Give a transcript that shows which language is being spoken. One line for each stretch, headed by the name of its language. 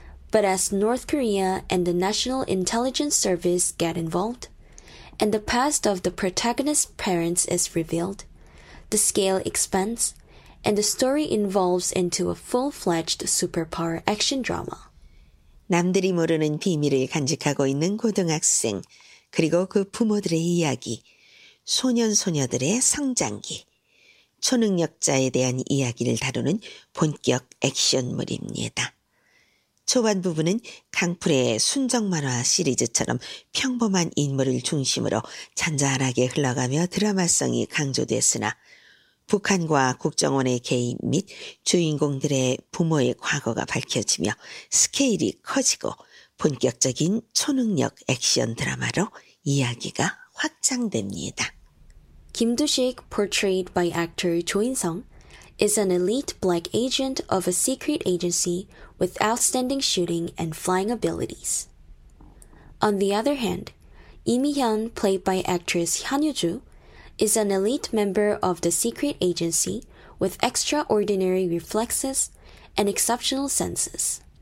English: But as North Korea and the National Intelligence Service get involved, and the past of the protagonist's parents is revealed, the scale expands, and the story evolves into a full-fledged superpower action drama.
Korean: 남들이 모르는 비밀을 간직하고 있는 고등학생, 그리고 그 부모들의 이야기, 소년 소녀들의 성장기, 초능력자에 대한 이야기를 다루는 본격 액션물입니다. 초반 부분은 강풀의 순정 만화 시리즈처럼 평범한 인물을 중심으로 잔잔하게 흘러가며 드라마성이 강조됐으나 북한과 국정원의 개입 및 주인공들의 부모의 과거가 밝혀지며 스케일이 커지고 본격적인 초능력 액션 드라마로 이야기가 확장됩니다.
English: 김두식, portrayed by actor 조인성, is an elite black agent of a secret agency with outstanding shooting and flying abilities. On the other hand, Lee Mi-hyun, played by actress Han Yu-ju, is an elite member of the secret agency with extraordinary reflexes and exceptional senses.